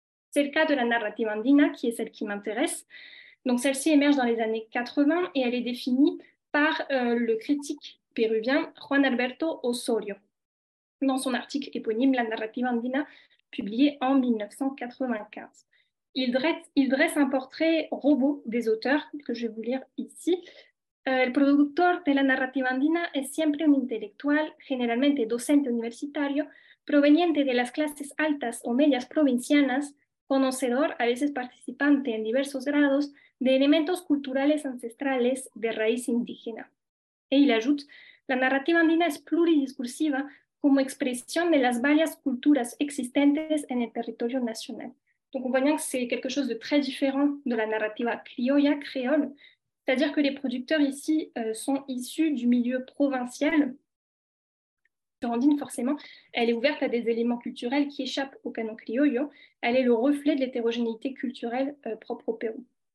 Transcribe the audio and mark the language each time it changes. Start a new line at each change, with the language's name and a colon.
French: C'est le cas de la narrativa andina, qui est celle qui m'intéresse. Donc, celle-ci émerge dans les années 80 et elle est définie par le critique péruvien Juan Alberto Osorio dans son article éponyme La narrativa andina, publié en 1995. Il dresse un portrait robot des auteurs que je vais vous lire ici.
Spanish: El productor de la narrativa andina es siempre un intelectual, generalmente docente universitario, proveniente de las clases altas o medias provincianas, conocedor, a veces participante en diversos grados, de elementos culturales ancestrales de raíz indígena.
French: Et il ajoute,
Spanish: la narrativa andina es pluridiscursiva como expresión de las varias culturas existentes en el territorio nacional.
French: Donc on voit bien que c'est quelque chose de très différent de la narrativa criolla, créole. C'est-à-dire que les producteurs ici sont issus du milieu provincial. Andine, forcément, elle est ouverte à des éléments culturels qui échappent au canon criollo. Elle est le reflet de l'hétérogénéité culturelle propre au Pérou.